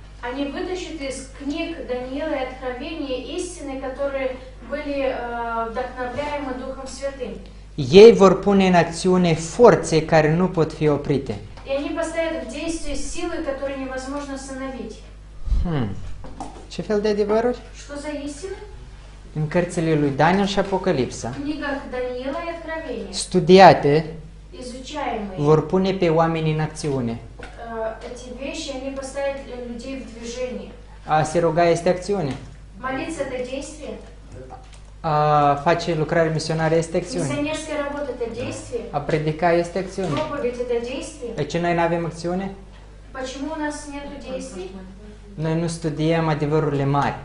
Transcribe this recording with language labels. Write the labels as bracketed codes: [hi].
[ru] Они вытащат из книг Даниила и Откровения истины, которые были вдохновляемы Духом Святым. [ro] Ei vor pune în acțiune forțe care nu pot fi oprite. [ru] И они поставят в действие силы, которые невозможно остановить. [ro] Ce fel de adevăruri? [ru] Что за истины? [ro] în cărțile lui Daniel și Apocalipsa, [ru] Daniela și Откровение, [ro] studiate, [ru] изучаемые, [ro] vor pune pe oameni în acțiune. [ru] Эти вещи они поставят людей в движение. [ro] A se ruga este acțiune. [ru] Молиться это действие. [ro] A face lucrare misionară este acțiune. [ru] Misionerska работа это действие. [ro] A predica este acțiune. [ru] Проповедь это действие. [ro] De ce noi nu avem acțiune? [ru] Почему у нас нет действий? [ro] Noi nu studiem adevărurile mari.